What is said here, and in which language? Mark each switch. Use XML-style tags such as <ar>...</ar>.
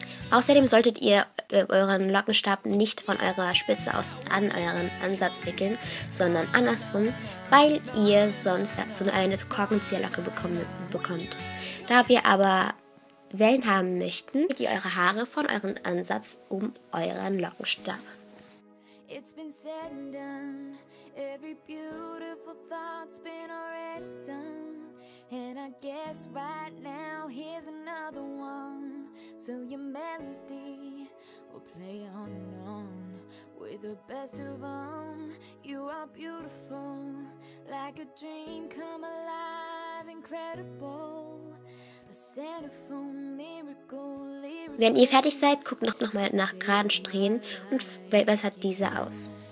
<de>Außerdem solltet ihr euren Lockenstab nicht von eurer Spitze aus an euren Ansatz wickeln, sondern andersrum, weil ihr sonst so eine Korkenzieherlocke bekommt. Da wir aber Wellen haben möchten, wickelt ihr eure Haare von eurem Ansatz um euren Lockenstab.</de> <en>It's been said and done. Every beautiful thought's been already sung. And I guess right now here's another one. So your melody will play on with the best of them. You are beautiful, like a dream come alive, incredible. A centerfold miracle.</en> <de>Wenn ihr fertig seid, guckt noch mal nach geraden Strähnen und bessert diese aus.</de>